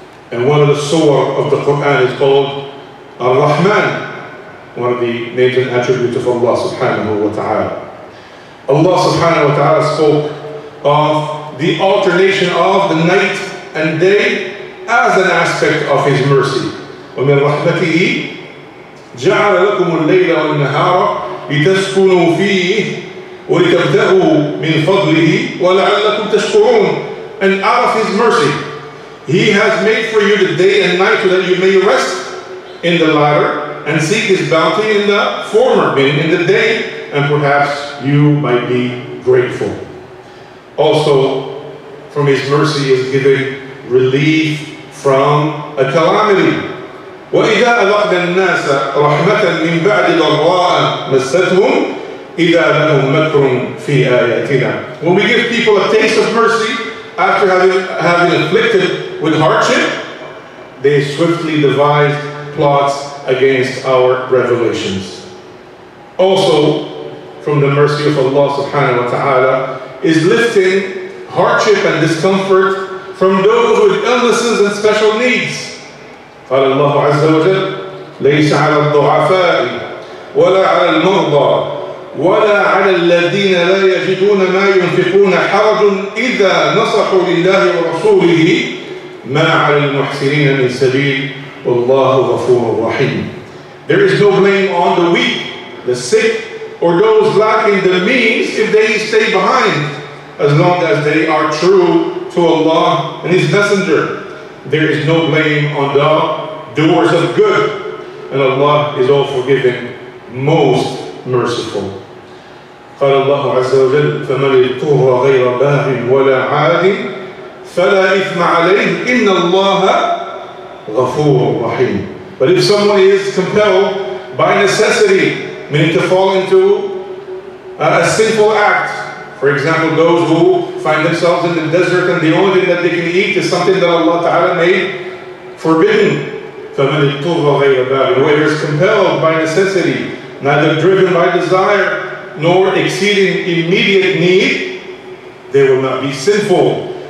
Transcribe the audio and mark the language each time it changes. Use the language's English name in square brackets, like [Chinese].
[English] And one of the surah of the Quran is called Ar-Rahman, one of the names and attributes of Allah subhanahu wa ta'ala. Allah subhanahu wa ta'ala spoke of the alternation of the night and day as an aspect of his mercy. [Arabic] وَمِنْ رَحْمَتِهِ جَعَلَ لَكُمُ اللَّيْلَ وَالنَّهَارَ لِتَسْكُنُوا فِيهِ وَلِتَبْتَغُوا مِنْ فَضْلِهِ وَلَعَلَّكُمْ تَشْكُرُونَ. [English] And out of his mercy, He has made for you the day and night so that you may rest in the latter and seek His bounty in the former, meaning in the day, and perhaps you might be grateful. Also, from His mercy is giving relief from a calamity. [Arabic] وَإِذَا أَذَقْنَا النَّاسَ رَحْمَةً مِنْ بَعْدِ ضَرَّاءٍ مَسَّتْهُمْ إِذَا لَهُمْ مَكْرٌ فِي آيَاتِنَا. [English] When we give people a taste of mercy after having afflicted with hardship, they swiftly devise plots against our revelations. Also, from the mercy of Allah subhanahu wa ta'ala is lifting hardship and discomfort from those with illnesses and special needs. [Arabic] قال الله عز وجل ليس على الضعفاء ولا على المرضى ولا على الذين لا يجدون ما ينفقون حرج إذا نصحوا لله ورسوله ما على المحسنين من سبيل والله غفور رحيم. [English] There is no blame on the weak, the sick, or those lacking the means if they stay behind, as long as they are true to Allah and His Messenger. There is no blame on the doers of good, and Allah is all forgiving, most merciful. [Arabic] قال الله عز وجل فمن اضطر غير باغ ولا عاد فلا إثم عليه إن الله غفور رحيم. [English] But if someone is compelled by necessity, meaning to fall into a sinful act, for example, those who find themselves in the desert and the only thing that they can eat is something that Allah Ta'ala made forbidden. [Arabic] فَمَنِ اِبْتُغَ غَيْرَ بَعْلِ [English] Whoever is compelled by necessity, neither driven by desire, nor exceeding immediate need, they will not be sinful.